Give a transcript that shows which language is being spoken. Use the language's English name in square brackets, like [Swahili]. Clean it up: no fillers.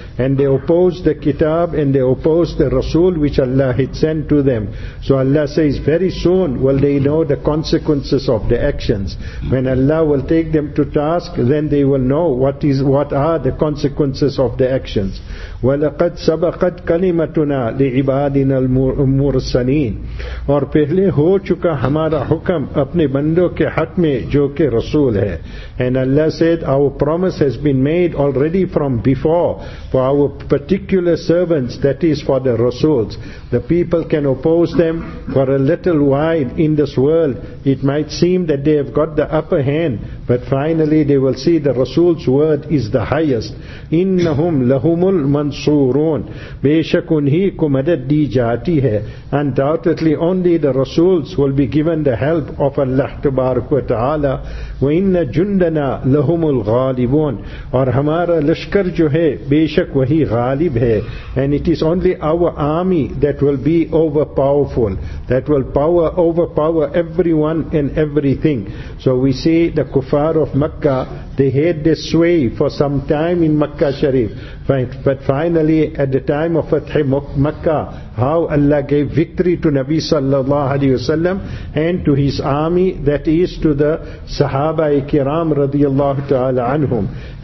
[English] And they opposed the kitab and they opposed the Rasul which Allah had sent to them. So Allah says, very soon will they know the consequences of their actions. When Allah will take them to task, then they will know what are the consequences of the actions. [Arabic] وَلَقَدْ سَبَقَتْ كَلِمَتُنَا لِعِبَادِنَا الْمُرْسَلِينَ, [Urdu] اور پہلے ہو چکا ہمارا حکم اپنے بندوں کے حق میں جو کہ رسول ہے. [English] And Allah said, our promise has been made already from before for our particular servants, that is for the Rasuls. The people can oppose them for a little while in this world. It might seem that they have got the upper hand, but finally they will see the Rasul's word is the highest. [Arabic] إِنَّهُمْ لَهُمُ الْمَنصُورُونَ, [Urdu] بِيشَكْ اُنْهِ كُمَدَدْ دِي جَاتِي هَي, [English] undoubtedly only the Rasuls will be given the help of Allah تبارك وتعالى. [Arabic] وَإِنَّ جُنْدَنَا لَهُمُ الْغَالِبُونَ, [Urdu] اور ہمارا لشکر جو ہے بیشک وہی غالب ہے. [English] And it is only our army that will be overpowerful, that will overpower everyone and everything. So we see the kuffar of Makkah, they had this sway for some time in Makkah Sharif. But finally, at the time of Fath Makkah, how Allah gave victory to Nabi sallallahu alayhi wasallam and to his army, that is to the Sahaba-e-Kiram radiyallahu ta'ala anhum.